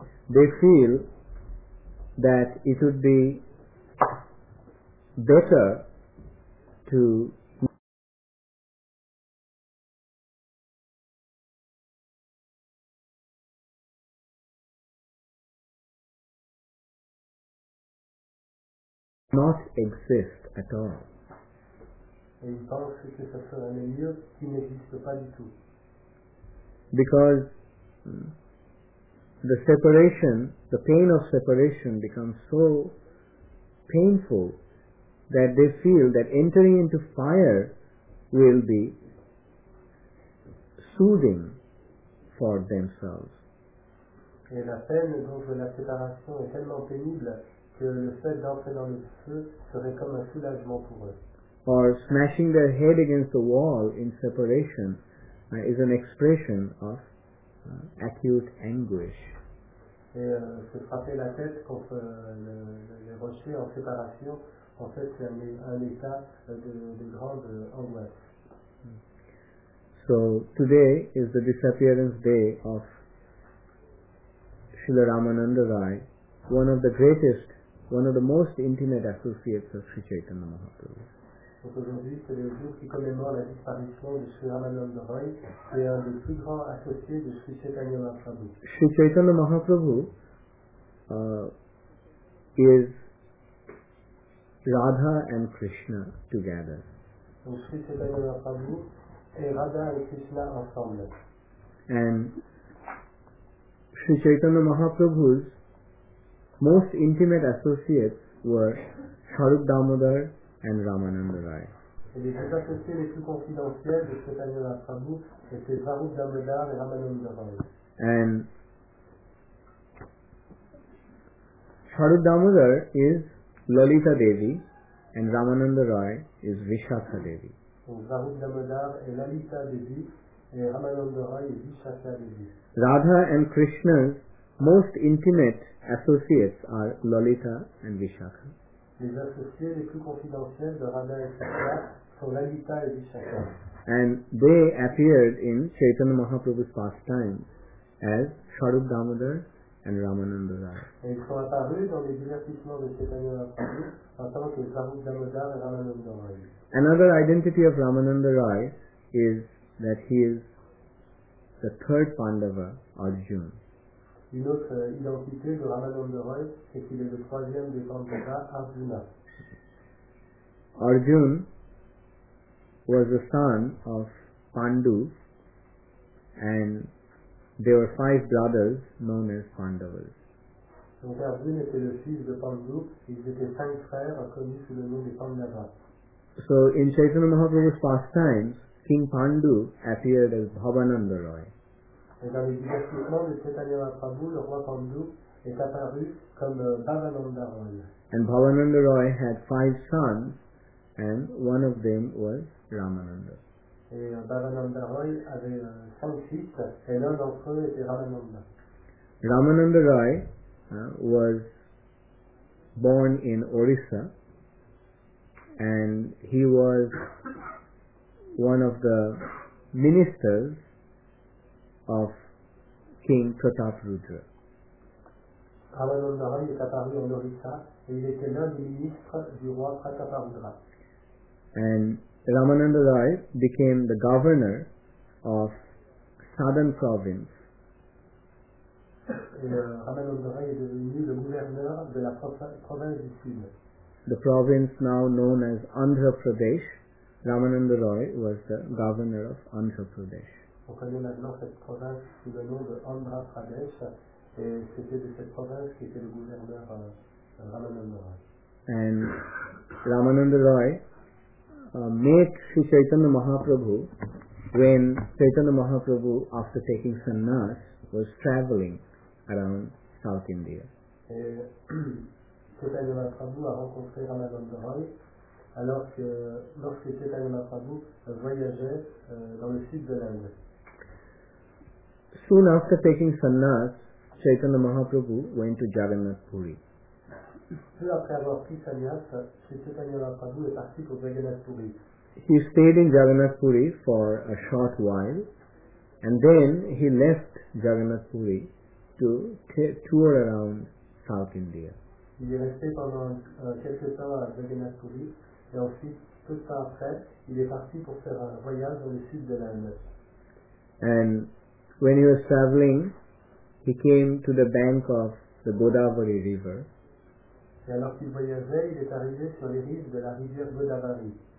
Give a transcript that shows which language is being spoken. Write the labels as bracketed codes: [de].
[en] They feel that it would be better to not exist at all. [fr] Et il pense que ça serait un lieu qui n'existe pas du tout. [en] Because the separation, the pain of separation becomes so painful that they feel that entering into fire will be soothing for themselves. [fr] Et la peine donc de la séparation est tellement pénible que le fait d'entrer dans le feu serait comme un soulagement pour eux. [en] Or smashing their head against the wall in separation is an expression of acute anguish. [fr] Et se frapper la tête contre les rochers en séparation, en fait, c'est un état de grande angoisse. [en] So today is the disappearance day of Srila Ramananda Rai, one of the greatest, one of the most intimate associates of Sri Chaitanya Mahaprabhu. [fr] Donc aujourd'hui, c'est le jour qui commémore la disparition de Sri Ramananda Rai, qui est un des plus grands associés de Sri Chaitanya Mahaprabhu. [en] Sri Chaitanya Mahaprabhu is Radha and Krishna together. [fr] Donc Sri Chaitanya Mahaprabhu est Radha et Krishna ensemble. [en] And Sri Chaitanya Mahaprabhu's most intimate associates were Sarup Damodar and Ramananda Rai. [fr] Et les deux associés les plus confidentiels de Chaitanya Mahaprabhu étaient Sarup Damodar et Ramananda Rai. [en] And Sarup Damodar is Lalita Devi and Ramananda Rai is Vishakha Devi. [fr] Donc Sarup Damodar est Lalita Devi et Ramananda Rai est Vishakha Devi. [en] Radha and Krishna's most intimate associates are Lalita and Vishakha. [fr] Les associés les plus confidentiels de Radha et Krishna sont Lalita et Vishakha. [en] And they appeared in Chaitanya Mahaprabhu's pastime as Sarup Damodar and Ramananda Rai. [fr] Et ils sont apparus dans les divertissements de Chaitanya Mahaprabhu en tant que Sarup Damodar et Ramananda Rai. [en] Another identity of Ramananda Rai is that he is the third Pandava, Arjuna. [fr] Une autre identité de Ramananda Rai, c'est qu'il est le troisième des Pandavas, Arjuna. [en] Arjuna was the son of Pandu, and there were five brothers known as Pandavas. [fr] Donc Arjuna était le fils de Pandu, ils étaient cinq frères connus sous le nom des Pandavas. [en] So in Chaitanya Mahaprabhu's pastimes, King Pandu appeared as Bhavananda Rai. [fr] Et dans les divertissements de Chaitanya Mahaprabhu, le roi Pandu est apparu comme Bhavananda Rai. [en] And Bhavananda Rai had five sons, and one of them was Ramananda. [fr] Et Bhavananda Rai avait cinq fils, et l'un d'entre eux était Ramananda. [en] Ramananda Rai was born in Orissa, and he was one of the ministers of King Pratap Rudra. [fr] Ramananda Rai est apparu en Orissa et il était l'un des ministres du roi Pratap Rudra. [en] And Ramananda Rai became the governor of Sadan province. [fr] Et Ramananda Rai est devenu le gouverneur de la province du Sud. [en] The province now known as Andhra Pradesh. Ramananda Rai was the governor of Andhra Pradesh. [fr] On connaît maintenant cette province sous le nom de Andhra Pradesh, et c'était de cette province qui était le gouverneur Ramananda Rai. [en] And Ramananda Rai met Sri Chaitanya Mahaprabhu when Chaitanya Mahaprabhu, after taking sannyas, was traveling around South India. [fr] Et Chaitanya Mahaprabhu a rencontré Ramananda Rai alors que lorsque Chaitanya Mahaprabhu voyageait dans le sud de l'Inde. [en] Soon after taking sannyas, Chaitanya Mahaprabhu went to Jagannath Puri. [fr] Peu après avoir pris sannyas, Chaitanya Mahaprabhu est parti pour Jagannath Puri. [en] He stayed in Jagannath Puri for a short while, and then he left Jagannath Puri to tour around South India. [fr] Il est resté pendant quelques temps à Jagannath Puri, et ensuite, peu de temps après, il est parti pour faire un voyage dans le sud de l'Inde. [en] And when he was traveling, he came to the bank of the Godavari River. [fr] Et alors qu'il voyageait, il est arrivé sur les rives de la rivière Godavari.